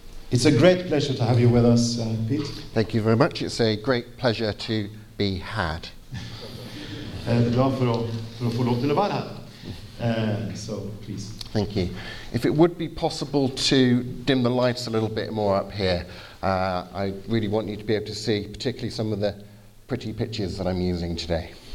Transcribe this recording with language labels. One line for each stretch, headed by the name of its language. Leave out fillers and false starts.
English: It's a great pleasure to have you with us, Pete. Thank you very much. It's a great pleasure to be had.
Norwegian: Glad for å få lov til å være her.
English: So, please. Thank you. If it would be possible to dim the lights a little bit more up here, I really want you to be able to see particularly some of the pretty pictures that I'm using today.